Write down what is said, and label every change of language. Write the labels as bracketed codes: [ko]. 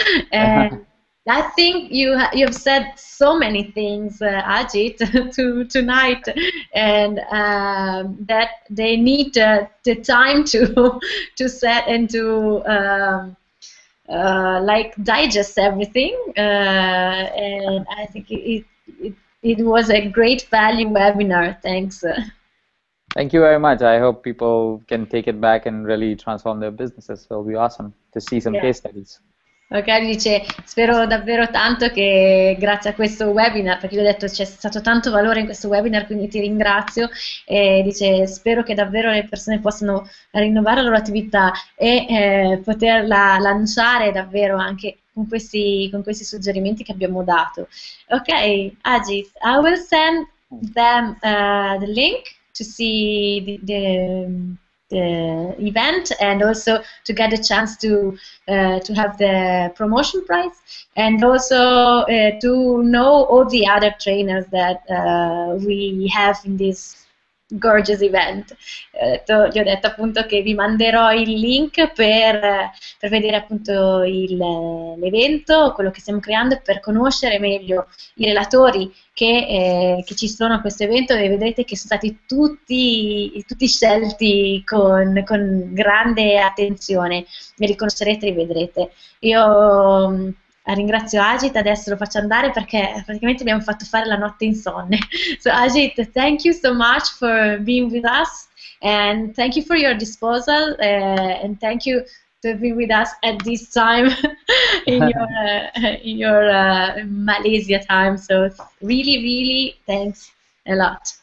[en] I think you've said so many things, Ajit, tonight, and that they need the time to set and to like digest everything. And I think it was a great value webinar. Thanks. Thank you very much. I hope people can take it back and really transform their businesses. It'll be awesome to see some case studies. [it] Ok, dice, spero davvero tanto che grazie a questo webinar, perché io ho detto c'è stato tanto valore in questo webinar, quindi ti ringrazio, e dice spero che davvero le persone possano rinnovare la loro attività e poterla lanciare davvero anche con questi suggerimenti che abbiamo dato. [en] Ok, Ajit, I will send them the link to see the event and also to get a chance to have the promotion prize and also to know all the other trainers that we have in this gorgeous event. [it] Gli ho detto appunto che vi manderò il link per vedere appunto l'evento, quello che stiamo creando, per conoscere meglio i relatori che ci sono a questo evento, e vedrete che sono stati tutti scelti con grande attenzione. Mi riconoscerete e vedrete. Io ringrazio Ajit, adesso lo faccio andare perché praticamente abbiamo fatto fare la notte insonne. [en] So Ajit, thank you so much for being with us and thank you for your disposal and thank you to be with us at this time in your Malaysia time. So really, really thanks a lot.